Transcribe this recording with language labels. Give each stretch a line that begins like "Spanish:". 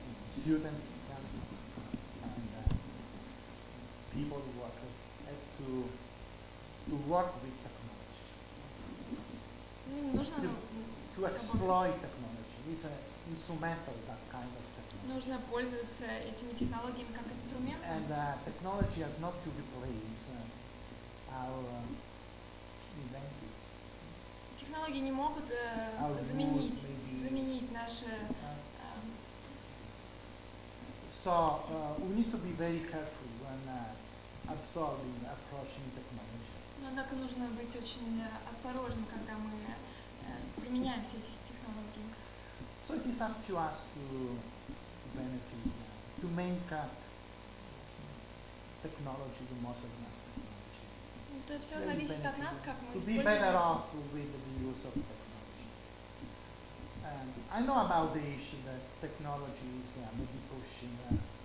English: Students and people who work as have to work with technology. To exploit technology. It's an instrumental that kind of technology.
Russian: Нужно пользоваться этими технологиями как инструментом.
English: And technology has not to replace our inventions.
Russian: Технологии не могут заменить наши.
English: So we need to be very careful when absorbing, approaching technology.
Russian: Но однако нужно быть очень осторожным, когда мы применяем все эти технологии.
English: So it is up to us to benefit, to make technology the most advanced technology.
Russian: Это все зависит от нас, как мы используем.
English: To be better off with the use of technology. And I know about the issue that technology is maybe pushing.